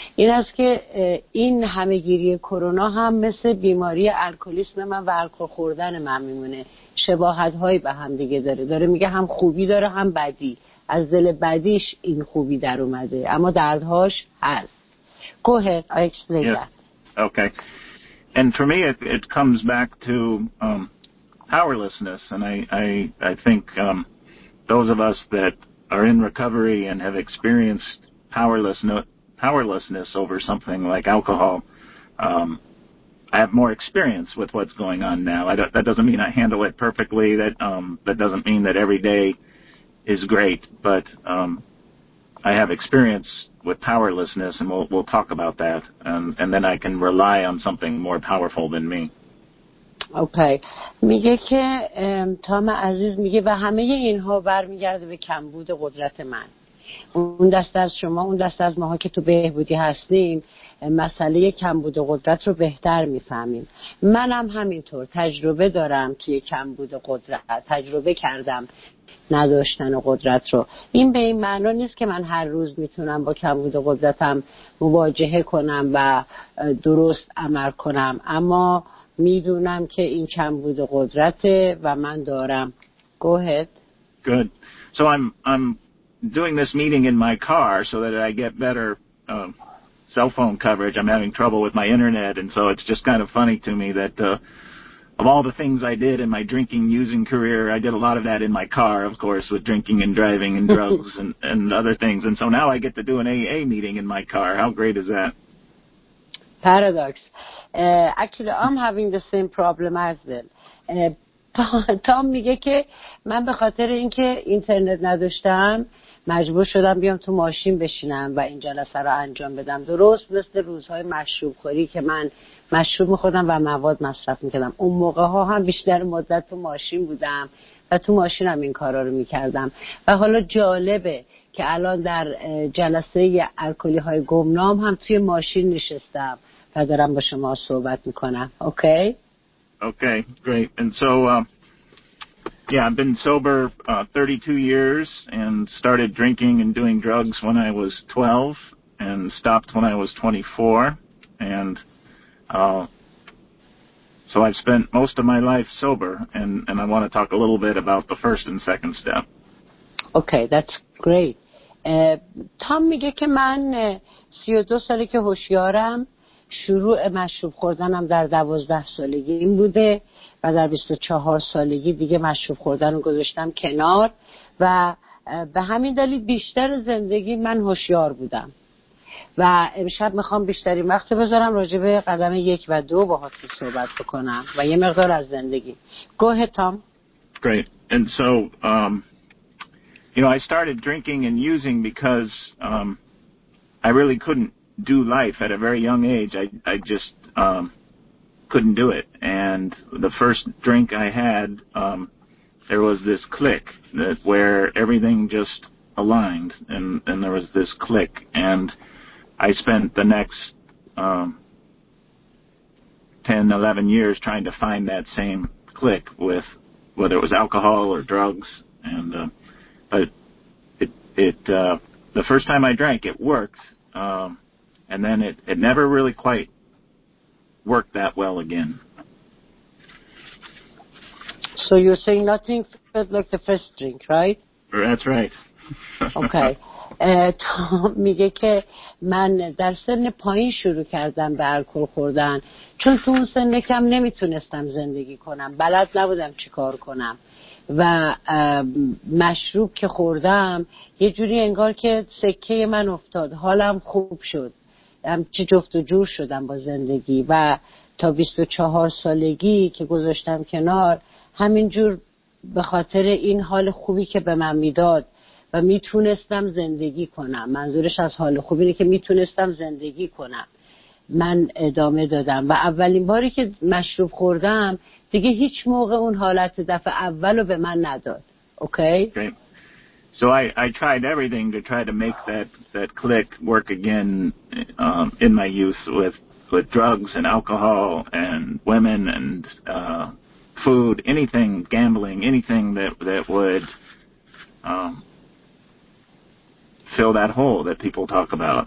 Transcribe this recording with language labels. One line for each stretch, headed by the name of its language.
Persian: این است که این همگیری کرونا هم مثل بیماری الکلیسم من و الکل خوردن من میمونه، شباهت هایی به همدیگه داره میگه هم خوبی داره هم بدی، از دل بدیش این خوبی در اومده اما دردهاش هست.
English: Go ahead. I explain that. Okay. And for me, it comes back to powerlessness. And I think those of us that are in recovery and have experienced powerlessness over something like alcohol, I have more experience with what's going on now. That doesn't mean I handle it perfectly. That doesn't mean that every day is great. But I have experience with powerlessness, and we'll talk about that, and then I can rely on something more powerful than me. Okay.
Persian: میگه که تام عزیز میگه و همه اینها برمیگرده به کمبود قدرت من. اون دست از شما، اون دست از ماها که تو بهبودی هستیم، مسئله کمبود قدرت رو بهتر میفهمیم. منم همینطور تجربه دارم که کمبود قدرت تجربه کردم، نداشتن قدرت رو. این به این معنی نیست که من هر روز میتونم با کمبود قدرتم مواجهه کنم و درست عمل کنم، اما میدونم که این کمبود قدرته و من دارم.
English: Go ahead. Good. So I'm doing this meeting in my car so that I get better cell phone coverage. I'm having trouble with my internet, and so it's just kind of funny to me that of all the things I did in my drinking using career, I did a lot of that in my car, of course, with drinking and driving and drugs and other things. And so now I get to do an AA meeting in my car. How great is that? Paradox. Actually, I'm having the same problem as well.
Persian: تام میگه که من به خاطر اینکه اینترنت نداشتم مجبور شدم بیام تو ماشین بشینم و این جلسه رو انجام بدم، درست مثل روزهای مشروب خوری که من مشروب میخوردم و مواد مصرف میکردم. اون موقع ها هم بیشتر مدت تو ماشین بودم و تو ماشینم این کارا رو میکردم. و حالا جالبه که الان در جلسه الکلی های گمنام هم توی ماشین نشستم و دارم با شما صحبت میکنم. اوکی؟
English: Okay, great. And so, yeah, I've been sober 32 years and started drinking and doing drugs when I was 12 and stopped when I was 24. And so I've spent most of my life sober, and I want to talk a little bit about the first and second step. Okay, that's great.
Persian: Tom میگه که من 32 سالی که هوشیارم، شروع مشروب خوردنم در 12 سالگی این بوده و در 24 سالگی دیگه مشروب خوردن رو گذاشتم کنار و به همین دلیل بیشتر زندگی من هوشیار بودم. و امشب میخوام بیشتری وقت بذارم راجع به قدم 1 و 2 با هات صحبت بکنم و یه مقدار از زندگی.
English: Go ahead, Tom. Great. And so, you know, I started drinking and using because I really couldn't do life at a very young age. I just couldn't do it. And the first drink I had, there was this click that where everything just aligned, and there was this click. And I spent the next 10-11 years trying to find that same click with whether it was alcohol or drugs. And but it the first time I drank, it worked. And then it never really quite worked that well again. So you're saying nothing felt like the first drink, right? That's right. Okay.
Persian: تام میگه که من در سن پایین شروع کردم به الکل خوردن چون تو اون سن کم نمیتونستم زندگی کنم، بلد نبودم چی کار کنم و مشروب که خوردم یه جوری انگار که سکه من افتاد، حالم خوب شد، همچی جفت و جور شدم با زندگی و تا 24 سالگی که گذاشتم کنار همینجور به خاطر این حال خوبی که به من میداد و میتونستم زندگی کنم، منظورش از حال خوب اینه که میتونستم زندگی کنم، من ادامه دادم. و اولین باری که مشروب خوردم دیگه هیچ موقع اون حالت دفعه اولو به من نداد. اوکی؟
English: So I tried everything to try to make that click work again in my youth with drugs and alcohol and women and food, anything, gambling, anything that would fill that hole that people talk about.